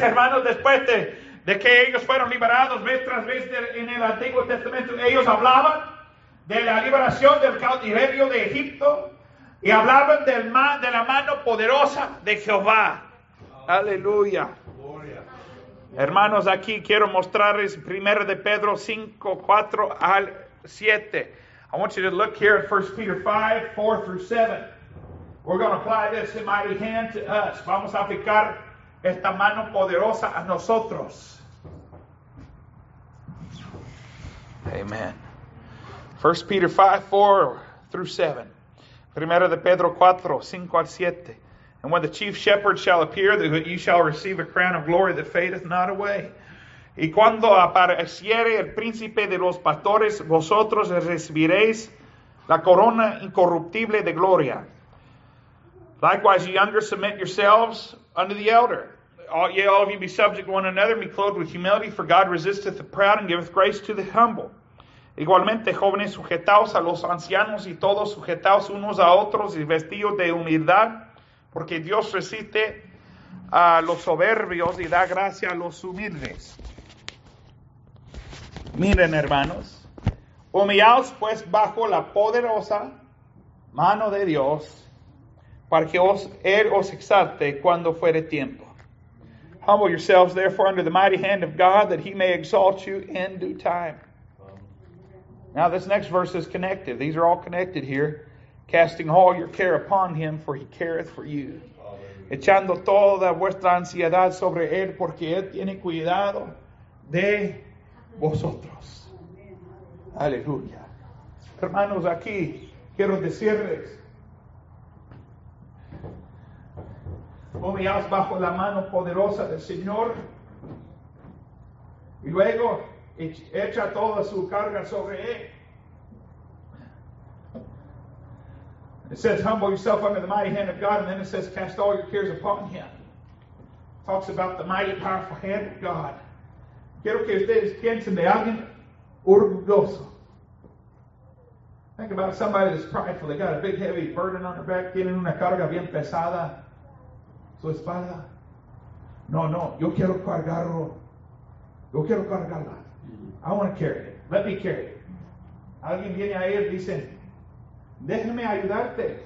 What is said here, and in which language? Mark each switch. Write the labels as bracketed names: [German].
[Spanish] hermanos, después de que ellos fueron liberados, vez tras vez en el Antiguo Testamento, ellos hablaban de la liberación del cautiverio de Egipto. Y hablaban de la mano poderosa de Jehová. Aleluya. Hermanos, aquí quiero mostrarles 1 de Pedro 5, 4 al 7. [English] I want you to look here at 1 Peter 5, 4 through 7. We're going to apply this mighty hand to us. [Spanish] Vamos a aplicar esta mano poderosa a nosotros. [English] Amen. 1 Peter 5, 4 through 7. [Spanish] Primera de Pedro 4, 5 al 7. [English] And when the chief shepherd shall appear, you shall receive a crown of glory that fadeth not away. [Spanish] Y cuando apareciere el príncipe de los pastores, vosotros recibiréis la corona incorruptible de gloria. [English] Likewise, ye younger, submit yourselves unto the elder. All of you be subject to one another, be clothed with humility, for God resisteth the proud and giveth grace to the humble. [Spanish] Igualmente, jóvenes, sujetaos a los ancianos y todos sujetaos unos a otros y vestidos de humildad, porque Dios resiste a los soberbios y da gracia a los humildes. Miren, hermanos, humillaos pues bajo la poderosa mano de Dios para que Él os exalte cuando fuere tiempo. [English] Humble yourselves therefore under the mighty hand of God that He may exalt you in due time. Now this next verse is connected. These are all connected here. Casting all your care upon Him, for He careth for you. [Spanish] Echando toda vuestra ansiedad sobre Él, porque Él tiene cuidado de vosotros. Aleluya. Hermanos, aquí quiero decirles, humillaos bajo la mano poderosa del Señor y luego echa toda su carga sobre Él. [English] It says, humble yourself under the mighty hand of God, and then it says, cast all your cares upon Him. Talks about the mighty, powerful hand of God. [Spanish] Quiero que ustedes piensen de alguien orgulloso. [English] Think about somebody that's prideful. They got a big, heavy burden on their back. [Spanish] Tienen una carga bien pesada. Su espalda. No, no. Yo quiero cargarlo. Yo quiero cargarla. [English] I want to carry it. Let me carry it. [Spanish] Alguien viene a él y dice, déjame ayudarte.